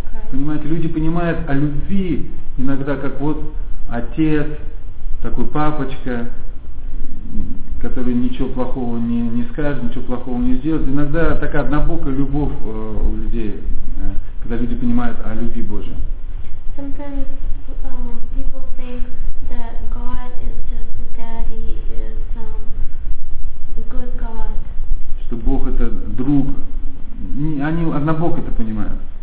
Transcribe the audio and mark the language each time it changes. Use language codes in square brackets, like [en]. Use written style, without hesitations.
[ru] Понимаете, люди понимают о любви иногда, как вот отец, такой папочка, который ничего плохого не скажет, ничего плохого не сделает. Иногда такая однобокая любовь у людей, когда люди понимают о любви Божьей. [en] Sometimes people think that God is just a daddy, is good God. [ru] Что Бог это друг. Они однобоко это понимают.